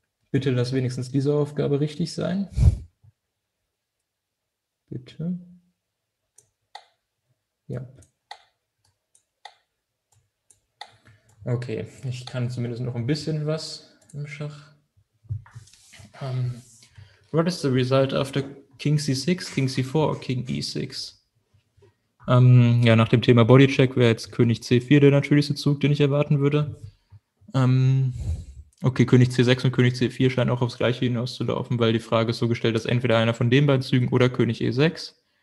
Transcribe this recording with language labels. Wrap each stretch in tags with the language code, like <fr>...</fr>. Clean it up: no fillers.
<de>Bitte lass wenigstens diese Aufgabe richtig sein. Bitte. Ja. Okay, ich kann zumindest noch ein bisschen was im Schach.</de> <en>What is the result after King C6, King C4, King E6?</en> <de>Ja, nach dem Thema Bodycheck wäre jetzt König C4 der natürlichste Zug, den ich erwarten würde. Okay, König C6 und König C4 scheinen auch aufs Gleiche hinauszulaufen, weil die Frage ist so gestellt, dass entweder einer von den beiden Zügen oder König E6.</de>